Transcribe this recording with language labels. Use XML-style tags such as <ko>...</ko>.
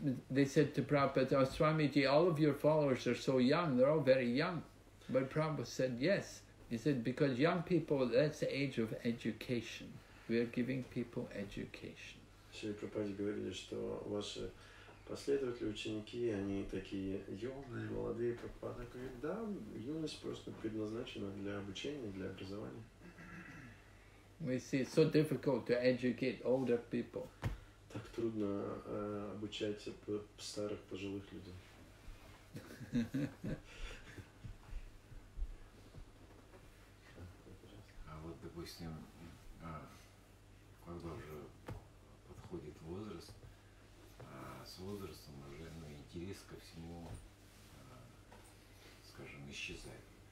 <en>They said to Prabhupada, Swamiji, all of your followers are so young, they're all very young. But Prabhupada said, yes. He said, because young people, that's the age of education. We are giving people education.</en> <ru>Шри Прабхупаде говорили, что ваши последователи, ученики, они такие юные, молодые. Прабхупада говорит, да, юность просто предназначена для обучения, для образования.</ru> <en>We see it's so difficult to educate older people.</en> <ru>Так трудно обучать старых, пожилых людей. А вот, допустим, когда уже подходит возраст, с возрастом уже интерес ко всему, скажем, исчезает.</ru>